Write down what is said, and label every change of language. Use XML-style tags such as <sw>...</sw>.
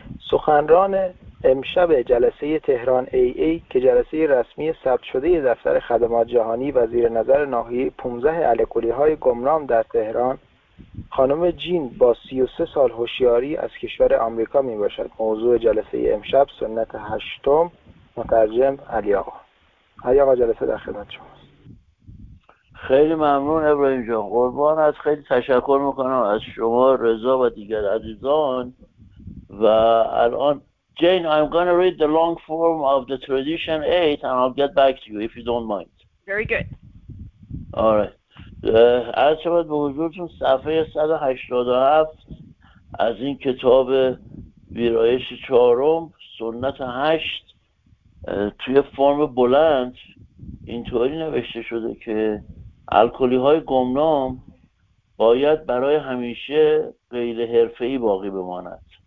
<fa>سخنران امشب جلسه تهران ای ای که جلسه رسمی ثبت شده دفتر خدمات جهانی و زیر نظر ناحیه 15 الکلی های گمنام در تهران، خانم جین با 33 سال هوشیاری از کشور آمریکا می باشد. موضوع جلسه امشب سنت هشتم، مترجم علی آقا. علی آقا جلسه در خدمت شماست. خیلی ممنون ابراهیم جان، قربان از خیلی تشکر میکنم از شما، رضا و دیگر عزیزان. و الان</fa> <en>Jane, I'm going to read the long form of the tradition 8 and I'll get back to you if you don't mind. Very good. All right.</en> <fa>عرض شود به حضورتون صفحه 187 از این کتاب ویرایش چهارم سنت 8 توی فرم بلند اینطوری نوشته شده که الکلی‌های گمنام باید برای همیشه غیر حرفه‌ای باقی بماند.</fa>